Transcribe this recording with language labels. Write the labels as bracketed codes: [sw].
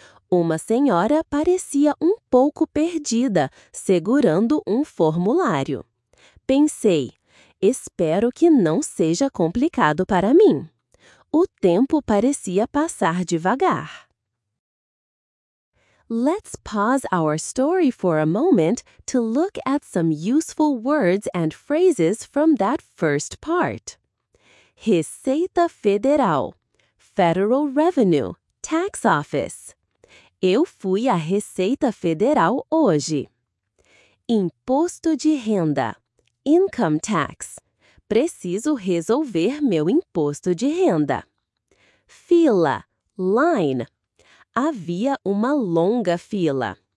[pt] Uma senhora parecia um pouco perdida, segurando um formulário. Pensei, espero que não seja complicado para mim. O tempo parecia passar devagar. [en] Let's pause our story for a moment to look at some useful words and phrases from that first part. Receita Federal, Federal Revenue, Tax Office. [pt] Eu fui à Receita Federal hoje. Imposto de renda, [en] Income Tax. [pt] Preciso resolver meu imposto de renda. Fila, line. Havia uma longa fila.